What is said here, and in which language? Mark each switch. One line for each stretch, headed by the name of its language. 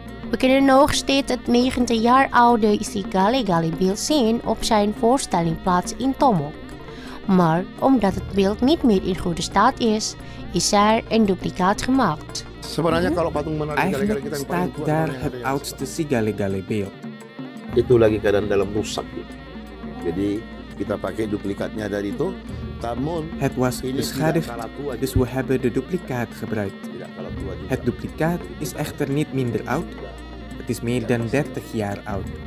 Dutch: We kunnen nog steeds het 90 jaar oude Isigaligali-beeld zien op zijn voorstelling plaats in Tomok. Maar omdat het beeld niet meer in goede staat is, is er een duplicaat gemaakt. Eigenlijk staat daar het oudste Sigaligali-beeld.
Indonesian: Itu lagi keadaan dalam rusak. Jadi kita pakai duplikatnya dari itu.
Dutch: Het was beschadigd, dus we hebben de duplicaat gebruikt. Het duplicaat is echter niet minder oud. Het is meer dan 30 jaar oud.